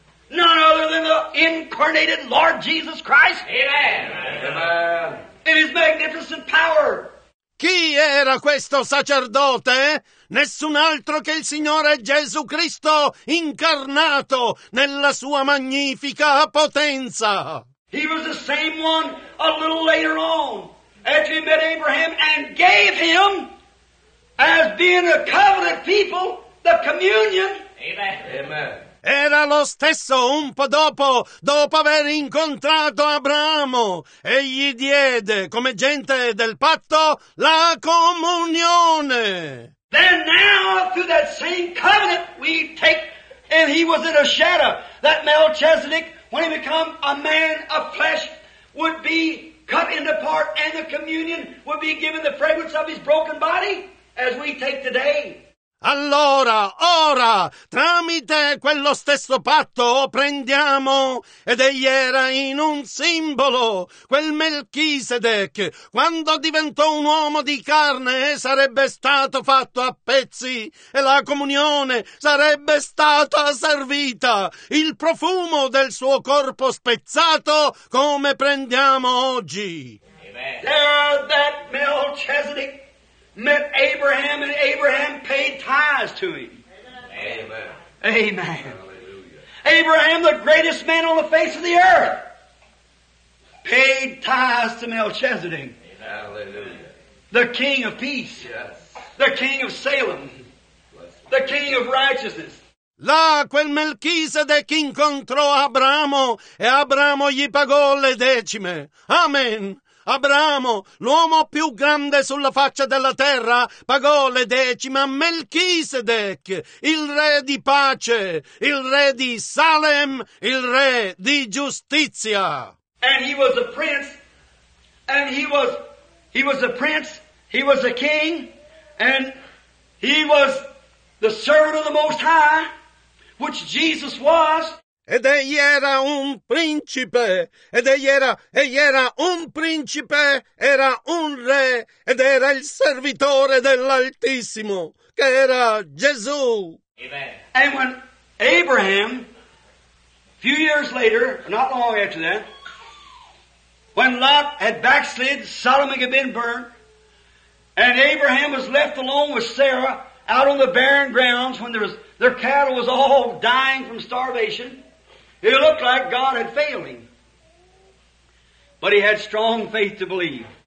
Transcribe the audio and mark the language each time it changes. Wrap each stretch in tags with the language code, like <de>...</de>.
<en>None other than the incarnated Lord Jesus Christ. Amen. Amen. In his magnificent power.</en> <it>Chi era questo sacerdote? Nessun altro che il Signore Gesù Cristo incarnato nella sua magnifica potenza.</it> <en>He was the same one a little later on, after he met Abraham and gave him, as being a covenant people, the communion. Amen. Amen.</en> <it>Era lo stesso un po' dopo aver incontrato Abramo, e gli diede, come gente del patto, la comunione.</it> <en>Then now, through that same covenant, we take, and he was in a shadow, that Melchizedek, when he became a man of flesh, would be cut into part, and the communion would be given the fragrance of his broken body, as we take today.</en> <it>Allora, ora, tramite quello stesso patto prendiamo, ed egli era in un simbolo, quel Melchisedec, quando diventò un uomo di carne sarebbe stato fatto a pezzi, e la comunione sarebbe stata servita, il profumo del suo corpo spezzato come prendiamo oggi.</it> <en>Amen. That Melchizedek met Abraham, and Abraham paid tithes to him. Amen. Amen. Hallelujah. Abraham, the greatest man on the face of the earth, paid tithes to Melchizedek. Amen. Hallelujah. The King of Peace. Yes. The King of Salem. The King of Righteousness.</en> <it>Là quel Melchisedec incontrò Abramo, e Abramo gli pagò le decime. Amen. Abramo, l'uomo più grande sulla faccia della terra, pagò le decime a Melchisedec, il re di pace, il re di Salem, il re di giustizia.</it> <en>And he was a prince, and he was a prince, he was a king, and he was the servant of the Most High, which Jesus was.</en> <it>Ed egli era un principe, ed egli era un principe, era un re, ed era il servitore dell'Altissimo, che era Gesù.</it> <en>Amen. And when Abraham, a few years later, not long after that, when Lot had backslid, Sodom had been burned, and Abraham was left alone with Sarah out on the barren grounds when their cattle was all dying from starvation, it looked like God had failed him, but he had strong faith to believe.</en>